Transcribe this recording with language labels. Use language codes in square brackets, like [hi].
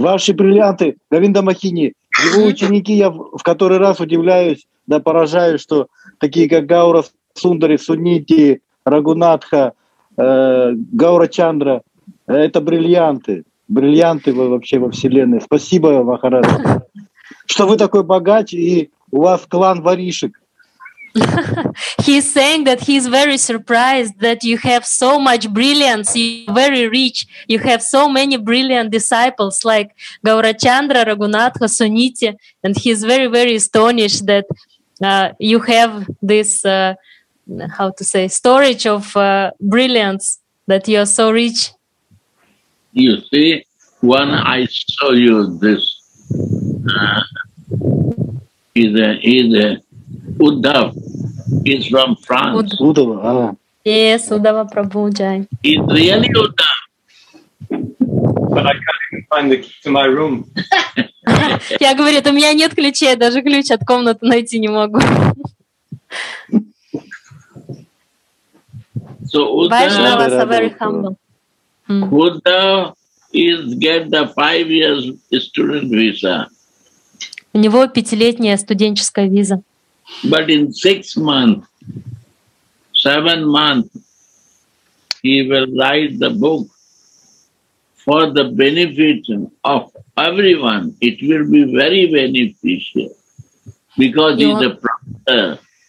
[ru] Ваши бриллианты, Говинда Махини, его ученики, я в который раз удивляюсь, да поражаюсь, что такие как Гаура Сундари, Сунити, Рагунатха, Гаура Чандра, это бриллианты. Бриллианты вы вообще во Вселенной. Спасибо, Махарадж, что вы такой богач и у вас клан воришек. [en] He's saying that he's very surprised that you have so much brilliance, you're very rich, you have so many brilliant disciples like Gaurachandra, Raghunatha, Suniti, and he's very, very astonished that you have this, how to say, storage of brilliance, that you're so rich. You see, when I show you this, he's a Uddhav, he's from France. Uddhava. Yes, Uddhava Prabhu Jai. He's really Uddhav. But I can't even find the key to my room. [ru] Я говорю, у меня нет ключей, даже ключ от комнаты найти не могу. [en] So Uddhav is very humble. Uddhav is get the 5 years student visa. [ru] У него пятилетняя студенческая виза. [en] But in 6 months, 7 months, he will write the book for the benefit of everyone. It will be very beneficial because he's a professor.